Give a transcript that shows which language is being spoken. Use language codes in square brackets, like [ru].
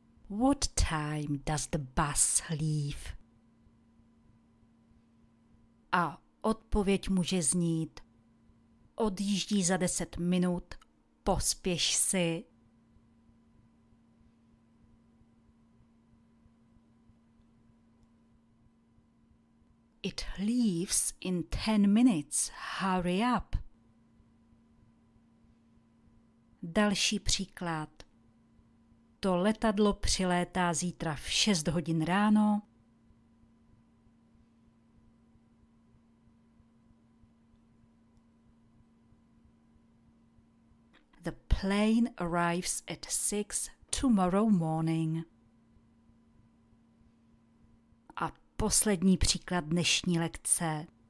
[en] What time does the bus leave? [cs] A odpověď může znít: Odjíždí za 10 minut, pospěš si. [en] It leaves in 10 minutes, hurry up. [cs] Další příklad: To letadlo přilétá zítra v 6 hodin ráno. [en] The plane arrives at 6 tomorrow morning. [cs] A poslední příklad dnešní lekce.